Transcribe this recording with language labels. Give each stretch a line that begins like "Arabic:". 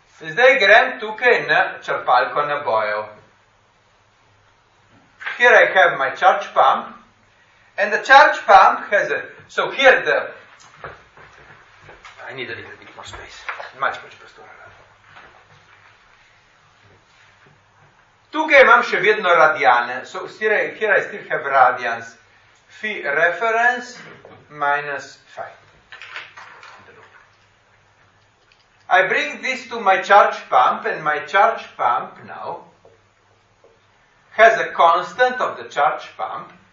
Slovenian: Zdaj grem tukaj na črpalko nabojev.
English: Here I have my charge pump. And the charge pump has a... So here the... I need a little bit more space. Much more space.
Slovenian: Tukaj imam še vedno radiane.
English: So here I still have radians. Phi reference minus phi. I bring this to my charge pump, and my charge pump now has a constant of the charge pump.